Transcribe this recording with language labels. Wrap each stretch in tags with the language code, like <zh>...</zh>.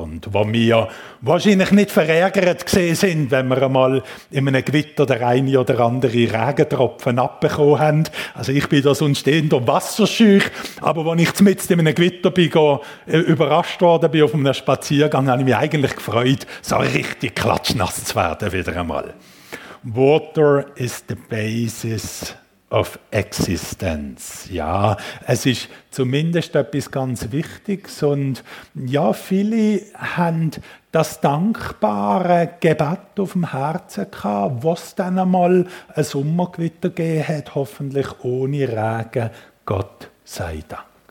<de>Und wo wir wahrscheinlich nicht verärgert gewesen sind, wenn wir einmal in einem Gewitter der eine oder andere Regentropfen abbekommen haben. Also ich bin da sonst stehender Wasserscheuch, aber wenn ich mitten in einem Gewitter bin, überrascht worden bin auf einem Spaziergang, habe ich mich eigentlich gefreut, so richtig klatschnass zu werden wieder einmal.</de> <en>Water is the basis of existence.</en> <de>Ja, es ist zumindest etwas ganz Wichtiges und ja, viele haben das dankbare Gebet auf dem Herzen gehabt, wo es dann einmal ein Sommergewitter gegeben hat, hoffentlich ohne Regen. Gott sei Dank.</de>